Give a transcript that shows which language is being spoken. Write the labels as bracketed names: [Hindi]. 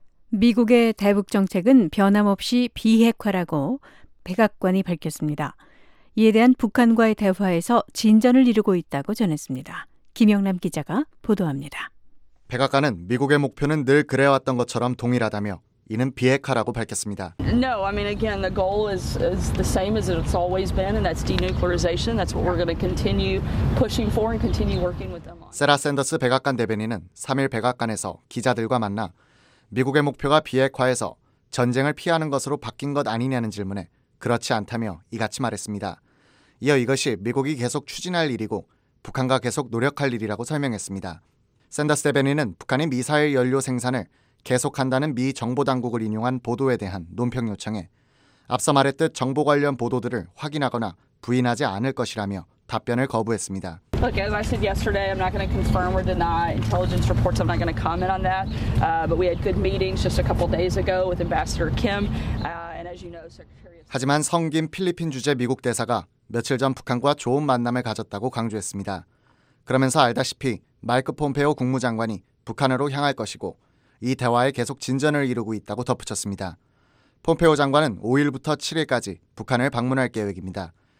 [Korean] 미국의 대북 정책은 변함없이 비핵화라고 백악관이 밝혔습니다. 이에 대한 북한과의 대화에서 진전을 이루고 있다고 전했습니다. 김영남 기자가 보도합니다. 백악관은 미국의 목표는 늘 그래왔던 것처럼 동일하다며 이는 비핵화라고 밝혔습니다. [English] No, I mean again the goal is the same as it's always been and that's denuclearization. That's what we're going to continue pushing for and continue working with them on. [Korean] 세라 샌더스 백악관 대변인은 3일 백악관에서 기자들과 만나 미국의 목표가 비핵화에서 전쟁을 피하는 것으로 바뀐 것 아니냐는 질문에 그렇지 않다며 이같이 말했습니다. 이어 이것이 미국이 계속 추진할 일이고 북한과 계속 노력할 일이라고 설명했습니다. 샌더스 대변인은 북한의 미사일 연료 생산을 계속한다는 미 정보당국을 인용한 보도에 대한 논평 요청에 앞서 말했듯 정보 관련 보도들을 확인하거나 부인하지 않을 것이라며 답변을 거부했습니다. [English] Look, as I said yesterday, I'm not going to confirm or deny intelligence reports. I'm not going to comment on that. But we had good meetings just a couple days ago with Ambassador Kim. And as you know, Secretary. [Korean] 하지만 성 김 필리핀 주재 미국 대사가 며칠 전 북한과 좋은 만남을 가졌다고 강조했습니다. 그러면서 알다시피 마이크 폼페이오 국무장관이 북한으로 향할 것이고 이 대화에 계속 진전을 이루고 있다고 덧붙였습니다. 폼페이오 장관은 5일부터 7일까지 북한을 방문할 계획입니다.